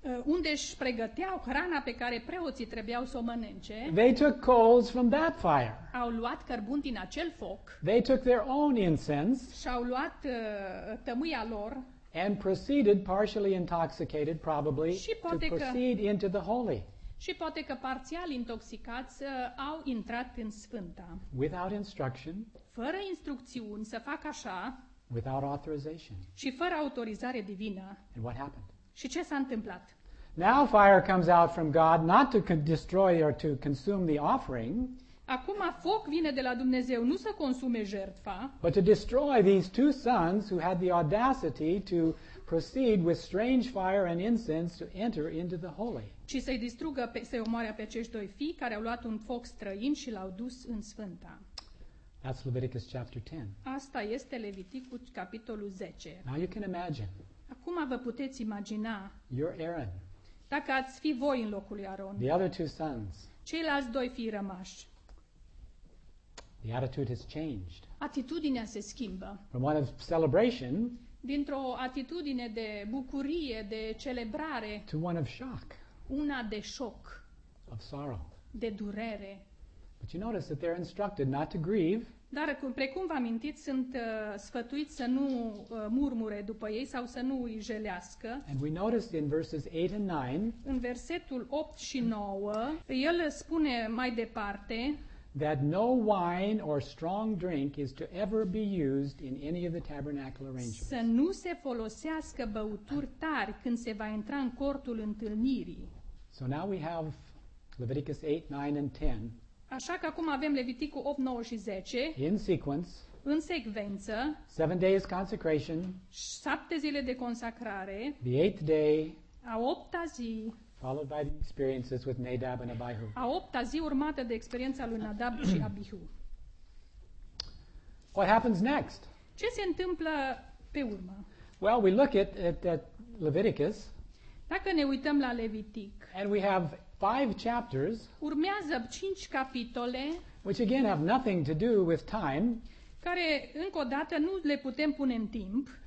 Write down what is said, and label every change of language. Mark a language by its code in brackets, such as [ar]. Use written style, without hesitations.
[ro] Unde își pregăteau hrana pe care preoții trebuiau să o mănânce. [en] They took coals from that fire. [ro] Au luat cărbuni din acel foc. [en] They took their own incense. [ro] Și au luat tămâia lor. [en] And proceeded partially intoxicated probably to proceed into the holy. [ro] Și poate că parțial intoxicați au intrat în sfânta. [en] Without instruction. [ro] Fără instrucțiuni să fac așa. [en] Without authorization. [ro] Și fără autorizare divină. [en] And what happened? [ro] Și ce s-a întâmplat? [en] Now fire comes out from God, not to destroy or to consume the offering. [ro] Acum foc vine de la Dumnezeu, nu să consume jertfa. [en] But to destroy these two sons who had the audacity to proceed with strange fire and incense to enter into the holy. [ro] Ci să-i distrugă, să-i omoare pe acești doi fii care au luat un foc străin și l-au dus în sfânta. [en] That's Leviticus chapter 10. [ro] Asta este Leviticul capitolul 10. [en] Now you can imagine. [ro] Acum vă puteți imagina. [en] You're Aaron. [ro] Dacă ați fi voi în locul lui Aaron. [en] The other two sons. [ro] Ceilalți doi fii rămași. [en] The attitude has changed. [ro] Atitudinea se schimbă. [en] From one of celebration. [ro] Dintr-o atitudine de bucurie, de celebrare. [en] To one of shock. [ro] Una de șoc. [en] Of sorrow. [ro] De durere. [en] But you notice that they're instructed not to grieve. [ro] Dar precum v-am amintit, sunt sfătuiți să nu murmure după ei sau să nu îi jelească. [en] And we noticed in verses 8 and 9. [ro] În versetul 8 și 9, el spune mai departe [en] that no wine or strong drink is to ever be used in any of the tabernacle arrangements. [ro] Să nu se folosească băuturi tari când se va intra în cortul întâlnirii. [en] So now we have Leviticus 8, 9 and 10. [ro] Așa că acum avem Leviticul 8, 9 și 10. [en] In sequence. [ro] În secvență. [en] 7 days consecration. [ro] 7 zile de consacrare. [en] The 8th day. [ro] A 8-a zi. [en] Followed by the experiences with Nadab and Abihu. [ro] A 8-a zi urmată de experiența lui Nadab și Abihu. [en] What happens next? [ro] Ce se întâmplă pe urmă? [en] Well, we look at Leviticus. [ro] Dacă ne uităm la Levitic. [en] And we have 5 chapters. [ro] Urmează 5 capitole. [en] Which again have nothing to do with time. [ro] Care încă o dată nu le putem pune în timp.